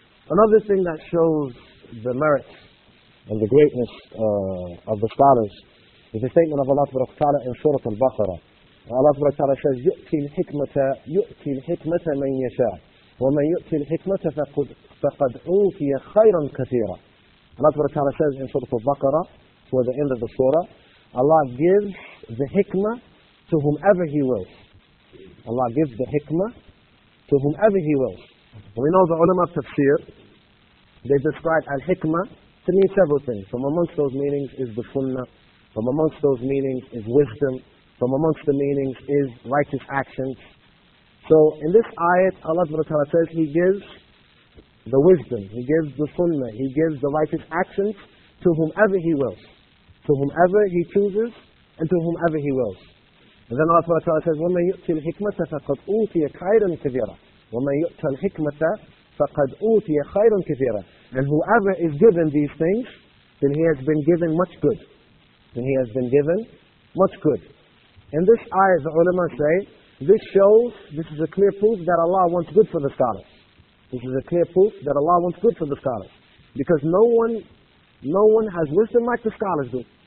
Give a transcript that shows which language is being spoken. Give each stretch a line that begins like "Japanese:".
English: Another thing that shows the merits and the greatness of the scholars is the statement of Allah subhanahu wa ta'ala in Surah Al-Baqarah. Allah subhanahu wa ta'ala says,
Arabic: يُؤْتِي الْحِكْمَةَ مَنْ يَشَاءَ وَمَنْ يُؤْتِي الْحِكْمَةَ فَقَدْ أُوْتِيَ خَيْرًا كَثِيرًا.
English: Allah subhanahu wa ta'ala says in Surah Al-Baqarah, toward the end of the surah, Allah gives the hikmah to whomever He wills. Allah gives the hikmah to whomever He wills. We know the ulama of tafsir, they describe al-hikmah to mean several things. From amongst those meanings is the sunnah. From amongst those meanings is wisdom. From amongst the meanings is righteous actions. So in this ayat, Allah says He gives the wisdom, He gives the sunnah, He gives the righteous actions to whomever He wills, to whomever He chooses, and to whomever He wills. And then Allah says,
Arabic: وَمَنْ يُؤْتِي الْحِكْمَةَ فَقَدْ أُوْتِيَ خَيْرًا كَثِيرًا وَمَنْ يُؤْتَى الْحِكْمَةَ فَقَدْ أُوْتِيَ خَيْرًا كَثِيرًا.
English: And whoever is given these things, then he has been given much good. Then he has been given much good. In this ayah, the ulama say, this shows, this is a clear proof that Allah wants good for the scholars. This is a clear proof that Allah wants good for the scholars. Because no one has wisdom like the scholars do.